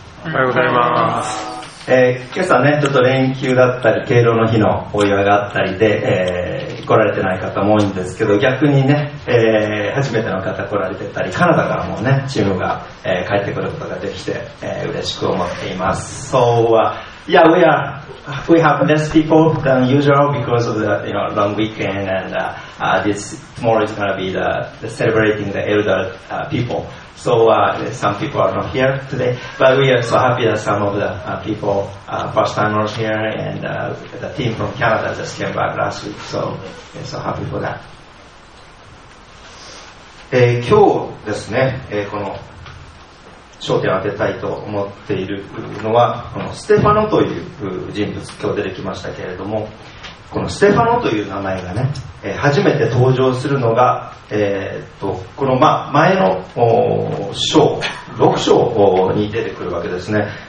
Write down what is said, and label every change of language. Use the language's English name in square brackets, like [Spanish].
[Japanese] おはようございます。今朝ねちょっと連休だったり敬老の日のお祝いがあったりで、来られてない方も多いんですけど、逆にね、初めての方来られてたり、カナダからもねチームが、帰ってくることができて、嬉しく思っています。そうはいや、 [English] we have less people than usual because of the long weekend and this tomorrow is going to be the celebrating the elder people. So some people are not here today, but we are so happy that some of the people, first timers here, and the team from Canada just came back last week. So we're so happy for that. [Japanese] 今日ですね、この焦点を当てたいと思っているのはこのステファノという人物、今日出てきましたけれども、このステファノという名前がね初めて登場するのが、この前の章6章に出てくるわけですね。